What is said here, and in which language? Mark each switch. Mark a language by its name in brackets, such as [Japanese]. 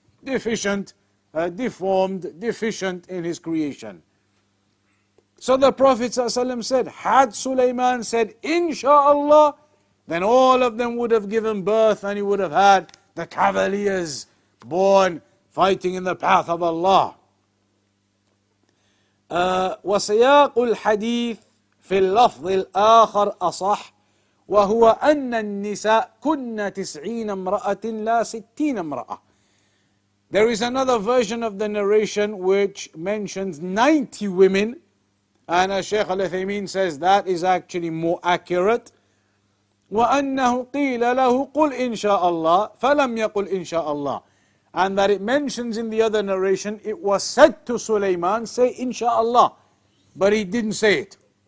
[English] Deficient in his creation. So the Prophet ﷺ said, had Sulaiman said, insha'Allah, then all of them would have given birth and he would have had the cavaliers born fighting in the path of Allah. [Arabic] وسياق الحديث في اللفظ الآخر أصح وهو أن النساء كن 90 امرأة لا 60 امرأة. [English] There is another version of the narration which mentions 90 women, and as Shaykh Al-Uthaymeen says, that is actually more accurate. [Arabic] وَأَنَّهُ قِيلَ لَهُ قُلْ إِنْشَاءَ اللَّهِ فَلَمْ يَقُلْ إِنْشَاءَ اللَّهِ. [English] And that it mentions in the other narration, it was said to Sulaiman, say insha'Allah, but he didn't say it.